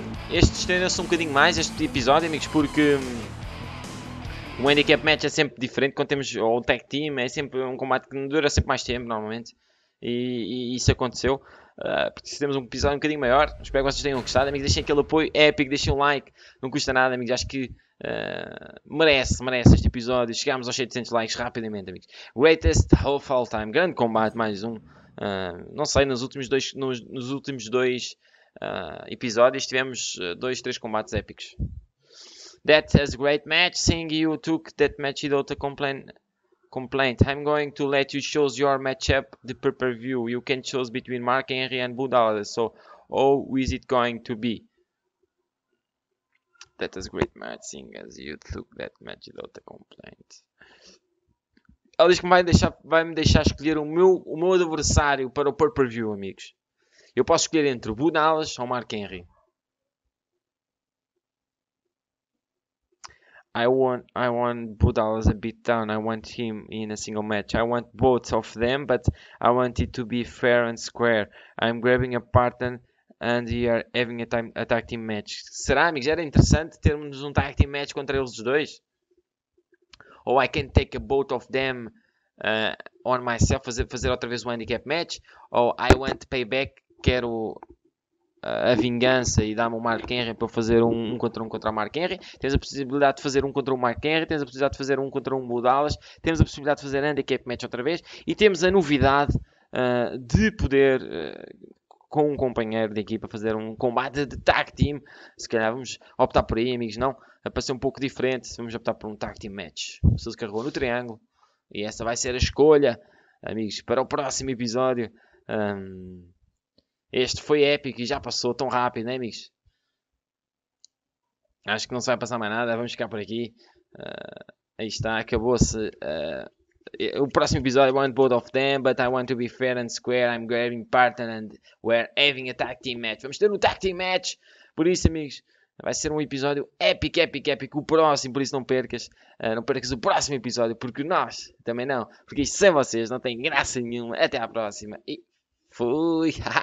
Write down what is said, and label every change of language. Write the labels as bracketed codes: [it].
[pt] Este estendeu-se um bocadinho mais, este episódio, amigos, porque um handicap match é sempre diferente quando temos o tag team, é sempre um combate que dura sempre mais tempo normalmente, e isso aconteceu, porque se temos um episódio um bocadinho maior, espero que vocês tenham gostado, amigos, deixem aquele apoio épico, deixem um like, não custa nada, amigos, acho que merece este episódio, chegámos aos 700 likes rapidamente, amigos. [en] Greatest of all time, [pt] grande combate, mais um, não sei, nos últimos dois episódios tivemos 2, 3 combates épicos. [en] That is a great match. Seeing you took that match without a complaint. I'm going to let you choose your matchup, the pay-per-view. You can choose between Mark Henry and Bo Dallas. So, how is it going to be? That is a great match. Seeing as you took that match without a complaint. [pt] Ele diz que vai me deixar escolher o meu adversário para o pay-per-view, amigos. Eu posso escolher entre o Bo Dallas ou Mark Henry. [en] I want Bo Dallas a beat down. I want him in a single match. I want both of them, but I want it to be fair and square. I'm grabbing a partner and we are having a tag team match. [pt] Será, amigos? Era interessante termos um tag team match contra eles os dois? Ou [en] I can take both of them on myself, [pt] fazer outra vez um handicap match? Ou [en] I want payback, [pt] quero a vingança e dá-me o Mark Henry para fazer um contra um contra o Mark Henry. Tens a possibilidade de fazer um contra o Mark Henry. Tens a possibilidade de fazer um contra um Bo Dallas. Temos a possibilidade de fazer handicap match outra vez. E temos a novidade de poder, com um companheiro de equipa, fazer um combate de tag team. Se calhar vamos optar por aí, amigos. Não, é para ser um pouco diferente. Vamos optar por um tag team match. O Sousa carregou no triângulo. E essa vai ser a escolha, amigos, para o próximo episódio. Este foi épico e já passou tão rápido, né, amigos? Acho que não se vai passar mais nada. Vamos ficar por aqui. Aí está. Acabou-se. O próximo episódio. [en] I want both of them, but I want to be fair and square. I'm grabbing partner and we're having a tag team match. [pt] Vamos ter um tag team match. Por isso, amigos, vai ser um episódio épico, épico, épico. O próximo, por isso não percas. Não percas o próximo episódio, porque nós também não. Porque isto sem vocês não tem graça nenhuma. Até à próxima. E fui.